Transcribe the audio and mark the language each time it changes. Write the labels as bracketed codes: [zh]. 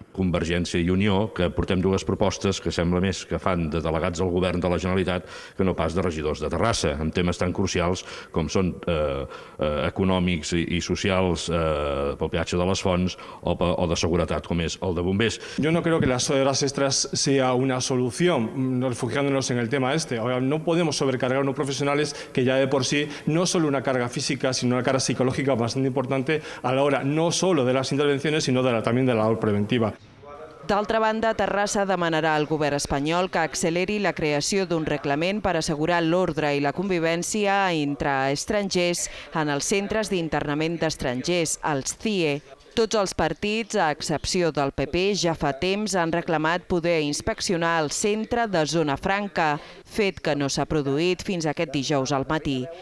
[ca] Convergència i Unió, que portem dues propostes que sembla més que fan de delegats al govern de la Generalitat que no pas de regidors de Terrassa, amb temes tan crucials com són econòmics i socials pel peatge de les Fonts o de seguretat com és el de bombers. [es] Yo no creo que las horas extras sea una solución, refugiándonos en el tema este. Ahora, no podemos sobrecargar unos profesionales que ya de por sí no solo una carga física, sino una carga psicológica bastante importante a la hora no solo de las intervenciones, sino también de la labor preventiva. [ca] D'altra banda, Terrassa demanarà al govern espanyol que acceleri la creació d'un reglament per assegurar l'ordre i la convivència entre estrangers en els centres d'internament d'estrangers, els CIE. Tots els partits, a excepció del PP, ja fa temps han reclamat poder inspeccionar el centre de Zona Franca, fet que no s'ha produït fins aquest dijous al matí.